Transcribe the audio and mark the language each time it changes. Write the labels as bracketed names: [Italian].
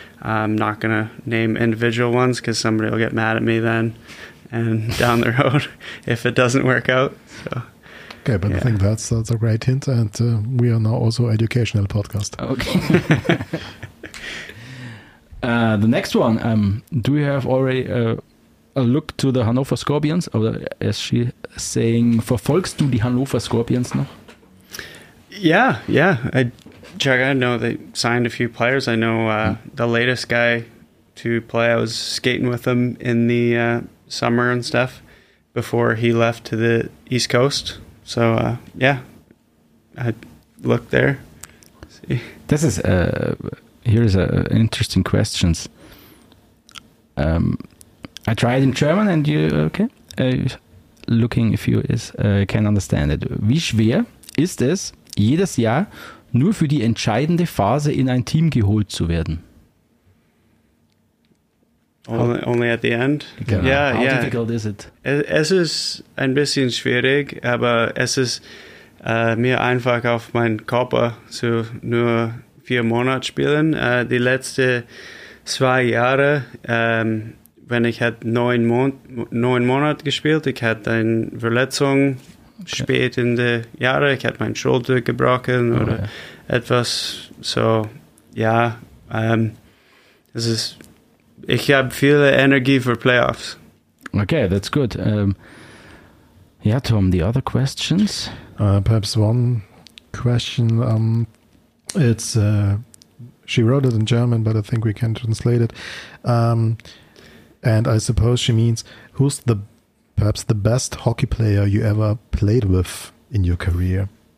[English] I'm not going to name individual ones because somebody will get mad at me then and down the road if it doesn't work out. So, okay, but yeah. I think that's a great hint, and we are now also an educational podcast. Okay. The next one, do we have already a look to the Hannover Scorpions? Or is she saying, verfolgst du die Hannover Scorpions noch? Yeah, Chuck, I know they signed a few players. I know the latest guy to play, I was skating with him in the summer and stuff before he left to the East Coast. So, yeah, I looked there. See. This is here's an interesting question. I tried in German, and you, okay? Looking if you can understand it. [German] Wie schwer ist es, jedes Jahr nur für die entscheidende Phase in ein Team geholt zu werden? [English] Only at the end? [German] Genau. [English] Yeah, how difficult is it? [German] Es ist ein bisschen schwierig, aber es ist mir einfach auf meinen Körper zu nur 4 Monate spielen. Die letzten zwei Jahre, wenn ich hatte neun Monate gespielt, ich hatte eine Verletzung spät in den Jahren, ich hatte meine Schulter gebrochen oder etwas. So, ja, ich habe viel Energie für Playoffs. [English] Okay, that's good. Tom, the other questions? Perhaps one question. She wrote it in German, but I think we can translate it. And I suppose she means, who's the best hockey player you ever played with in your career?